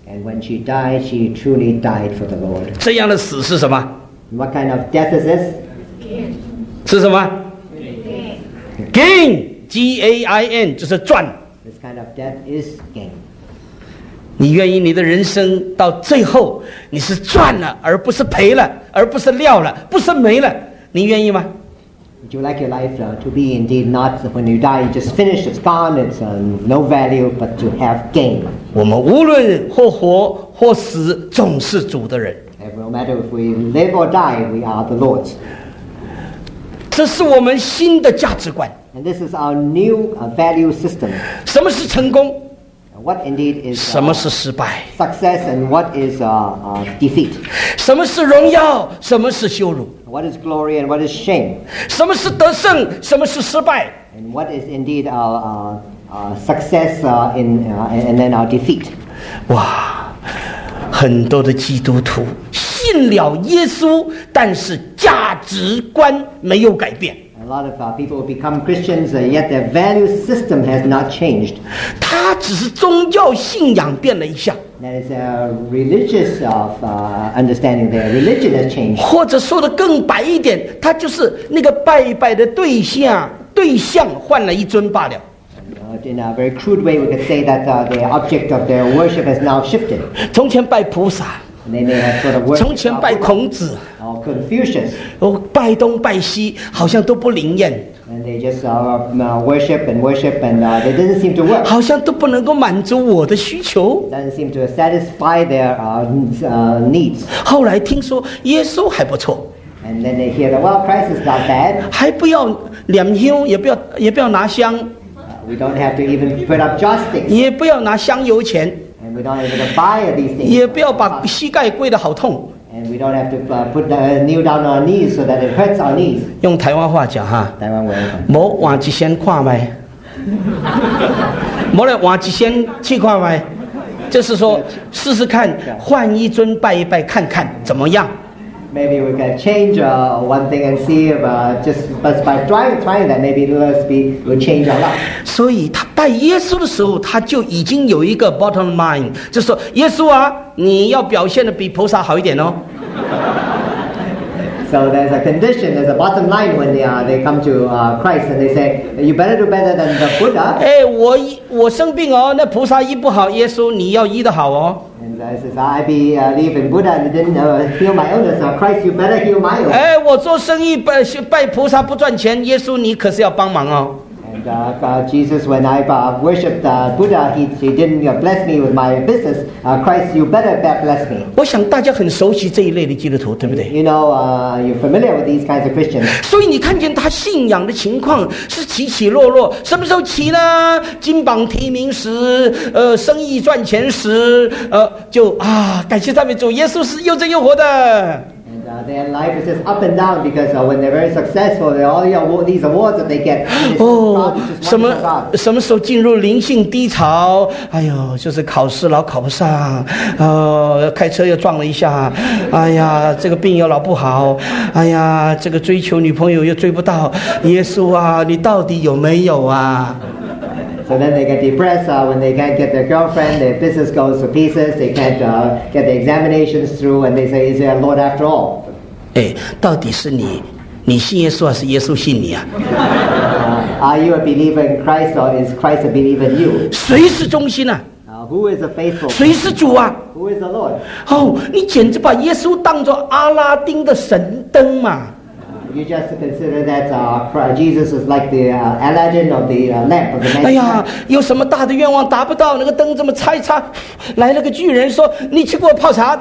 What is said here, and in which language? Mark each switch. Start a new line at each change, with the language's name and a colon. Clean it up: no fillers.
English: And when she died, she truly died for the Lord.
Chinese: 这样的死是什么
English: ？What kind of death is this? Gain.
Chinese: 是什么
English: ？Gain.
Chinese: Gain, 就是赚。
English: This kind of death is gain.
Chinese: 你愿意你的人生到最后你是赚了而不是赔了而不是撂了不是没了你愿意吗
English: Would you like your life to be indeed not when you die you just finish it's gone it's no value but to have gain
Chinese: 我们无论或活或死总是主的人
English: No matter if we live or die we are the Lord's
Chinese: 这是我们新的价值观
English: And this is our new value system
Chinese: 什么是成功
English: What indeed is,
Chinese: 什么是失败
English: ？Success and what is defeat？
Chinese: 什么是荣耀？什么是羞辱
English: ？What is glory and what is shame？
Chinese: 什么是得胜？什么是失败
English: ？And what is indeed success and then our defeat？
Chinese: 哇，很多的基督徒信了耶稣，但是价值观没有改变。
English: A lot of people become Christians, yet their value system has not changed.
Chinese: 他只是宗教信仰变了一下。
English: That is a religious of understanding. Their religion has changed.
Chinese: 或者说的更白一点，他就是那个拜拜的对象换了一尊罢了。
English: In a very crude way, we could say that the object of their worship has now shifted.
Chinese: 从前拜菩萨。
English: They may have sort of worshiped.
Chinese: 从前拜孔子。
English: Confucius.
Chinese: 拜东拜西好像都不灵验。
English: And they just worship and worship and they didn't seem to work.
Chinese: 好像都不能够满足我的需求。
English: Doesn't seem to satisfy their needs.
Chinese: 后来听说耶稣还不错。
English: And then they hear that, well, Christ is not bad.
Chinese: 还不要点香，也不要拿香。
English: We don't have to even put up joss-sticks.
Chinese: 也不要拿香油钱。
English: And we don't have to buy these things.
Chinese: 也不要把膝盖跪得好痛。
English: And we don't have to put the kneel down our knees so that it hurts our knees.
Chinese: 用台湾话讲哈，台湾文。莫换一先看麦，莫来换一先去看麦，就是说试试看，换一尊拜一拜看看怎么样。
English: Maybe we can change one thing and see if just by trying that maybe the speed will change a lot.
Chinese: 所以他拜耶稣的时候，他就已经有一个 bottom line， 就是说耶稣啊，你要表现的比菩萨好一点哦。
English: So there's a condition, there's a bottom line when they come to Christ and they say, you better do better than the Buddha.
Chinese: 哎，我生病哦，那菩萨医不好，耶稣你要医的好哦。
English: I believe in Buddha and didn't heal my illness. Christ, you better heal my illness.
Chinese: 哎，我做生意拜菩萨不赚钱，耶稣你可是要帮忙哦。
English: Jesus, when I worshipped Buddha, he didn't bless me with my business. Christ, you better bless me.
Chinese: 我想大家很熟悉这一类的基督徒，对不对
English: ？You know, you're familiar with these kinds of Christians.
Chinese: 所以你看见他信仰的情况是起起落落，什么时候起呢？金榜题名时，生意赚钱时，就啊，感谢赞美主，耶稣是又真又活的。
English: Their life is just up and down because when they're very successful, all these awards that they get.
Chinese: Oh, 什么时候进入灵性低潮？哎呦，就是考试老考不上，开车又撞了一下，哎呀，这个病又老不好，哎呀，这个追求女朋友又追不到。耶稣啊，你到底有没有啊？
English: So then they get depressed when they can't get their girlfriend, their business goes to pieces, they can't get the examinations through, and they say, is there a Lord after all?
Chinese: 哎，到底是你信耶稣还是耶稣信你啊？
English: Are you a believer in Christ or is Christ a believer in you?
Chinese: 谁是中心啊？
English: Who is a faithful?
Chinese: 谁是主啊？
English: Who is the Lord?
Chinese: 哦，你简直把耶稣当作阿拉丁的神灯嘛。
English: You just consider that Jesus is like the Aladdin of the lamp of the man.
Chinese: 哎呀，有什么大的愿望达不到？那个灯这么擦一擦，来了个巨人说：“你去给我泡茶。”